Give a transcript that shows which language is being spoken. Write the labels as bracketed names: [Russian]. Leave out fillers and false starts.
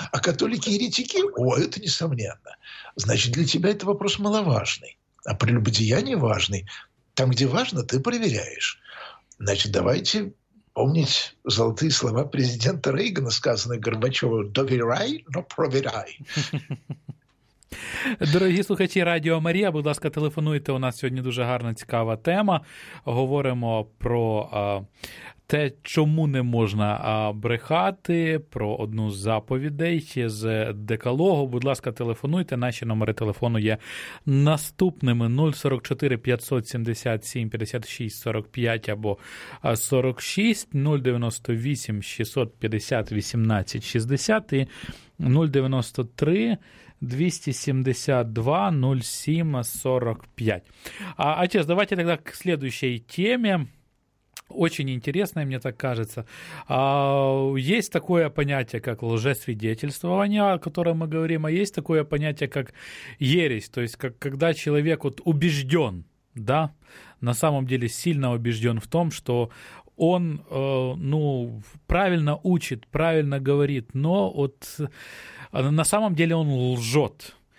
[Russian] А католики и еретики? О, это несомненно. Значит, для тебя это вопрос маловажный. А прелюбодеяние важный. Там, где важно, ты проверяешь. Значит, давайте помнить золотые слова президента Рейгана, сказанные Горбачёву: «Довіряй, но проверяй». [Ukrainian] Дорогі слухачі Радіо Марія, будь ласка, телефонуйте. У нас сьогодні дуже гарна, цікава тема. Говоримо про те, чому не можна брехати, про одну з заповідей з Декалогу. Будь ласка, телефонуйте. Наші номери телефону є наступними: 044-577-56-45 або 46, 098-650-18-60 і 093-272-07-45. [Russian] Отец, давайте тогда к следующей теме. Очень интересное, мне так кажется. Есть такое понятие, как лжесвидетельствование, о котором мы говорим, а есть такое понятие, как ересь, то есть как, когда человек вот убежден, да, на самом деле сильно убежден в том, что он ну, правильно учит, правильно говорит, но вот на самом деле он лжет.